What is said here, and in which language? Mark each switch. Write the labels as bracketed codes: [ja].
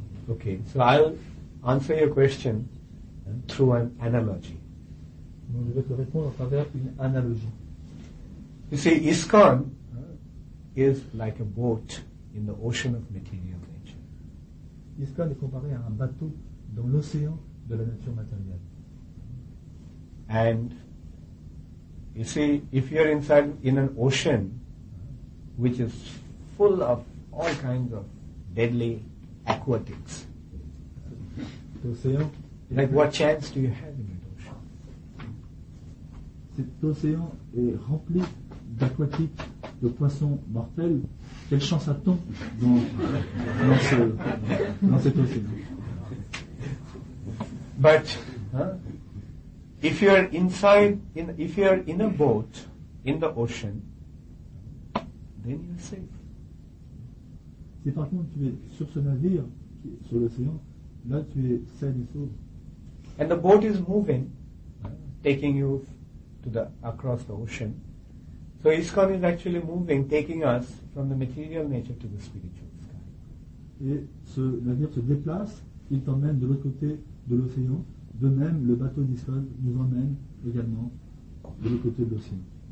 [en] Okay, so I'll answer your question through an analogy. [fr] Donc je vais te répondre à travers une analogie. [en] You see, ISKCON is like a boat in the ocean of material. [fr] ISKCON est comparé à un bateau dans l'océan de la nature matérielle. [en] And you see, if you're inside in an ocean which is full of all kinds of deadly aquatics, [fr] l'océan, [en] like what chance do you have in that ocean? [fr] Cet océan est rempli d'aquatique, de poisson mortel, quelle chance a-t-on dans cet océan? [en] But if you are inside, if you are in a boat in the ocean, then you are safe. [fr] Si par contre tu es sur ce navire, sur l'océan, là tu es sain et sauf. [en] And the boat is moving, taking you across the ocean. So ISKCON is actually moving, taking us from the material nature to the spiritual sky. [fr] Et ce navire se déplace, il t'emmène de l'autre côté de l'océan. De même, le bateau d'ISKCON nous emmène également de l'autre côté de l'océan.